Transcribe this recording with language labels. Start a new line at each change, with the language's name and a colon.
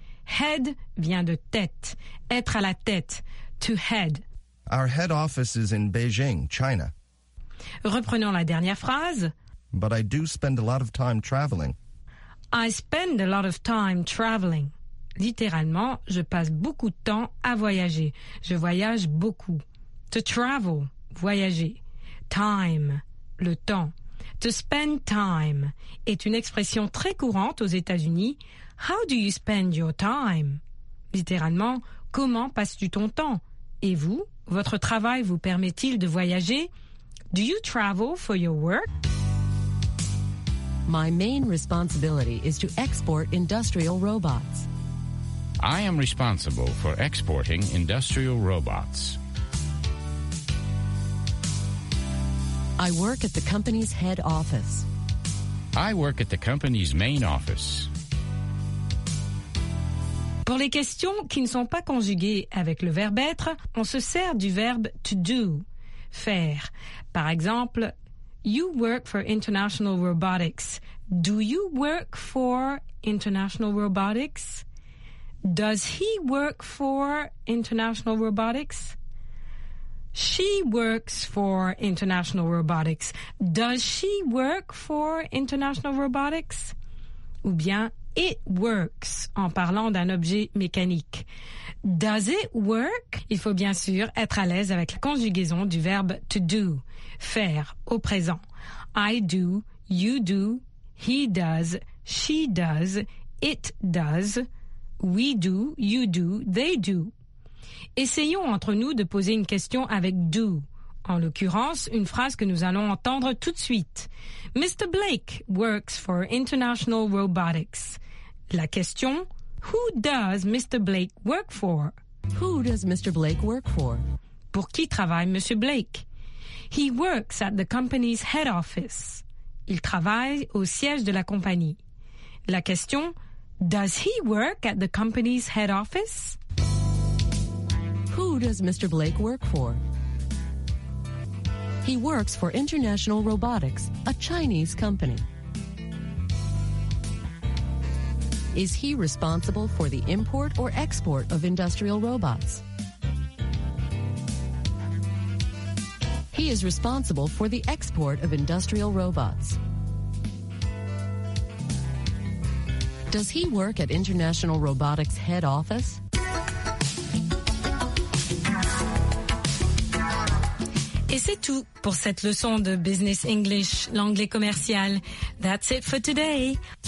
French: Head vient de tête, être à la tête,
English: to head. Our head office is in Beijing, China.
French: Reprenons la dernière phrase.
English: But I do spend a lot of time traveling. I spend a lot of time traveling.
French: Littéralement, je passe beaucoup de temps à voyager. Je voyage beaucoup. To travel, voyager. Time, le temps. To spend time est une expression très courante aux États-Unis.
English: How do you spend your time?
French: Littéralement, comment passes-tu ton temps? Et vous, votre travail vous permet-il de voyager?
English: Do you travel for your work? My main responsibility is to export industrial robots. I am responsible for exporting industrial robots. I work at the company's head office. I work at the company's main office.
French: Pour les questions qui ne sont pas conjuguées avec le verbe être, on se sert du verbe to do, faire.
English: Par exemple, you work for International Robotics. Do you work for International Robotics? Does he work for International Robotics? She works for International Robotics. Does she work for International Robotics?
French: Ou bien,
English: it works,
French: en parlant d'un objet mécanique.
English: Does it work?
French: Il faut bien sûr être à l'aise avec la conjugaison du verbe to do, faire, au présent.
English: I do, you do, he does, she does, it does, we do, you do, they do.
French: Essayons entre nous de poser une question avec « do ». En l'occurrence, une phrase que nous allons entendre tout de suite.
English: « Mr. Blake works for International Robotics ».
French: La question «
English: Who does Mr. Blake work for ?»« Who does Mr. Blake work for ?»
French: Pour qui travaille Monsieur Blake ?«
English: He works at the company's head office ».
French: Il travaille au siège de la compagnie. La question «
English: Does he work at the company's head office ?» Who does Mr. Blake work for? He works for International Robotics, a Chinese company. Is he responsible for the import or export of industrial robots? He is responsible for the export of industrial robots. Does he work at International Robotics head office?
French: Et c'est tout pour cette leçon de Business English, l'anglais commercial.
English: That's it for today.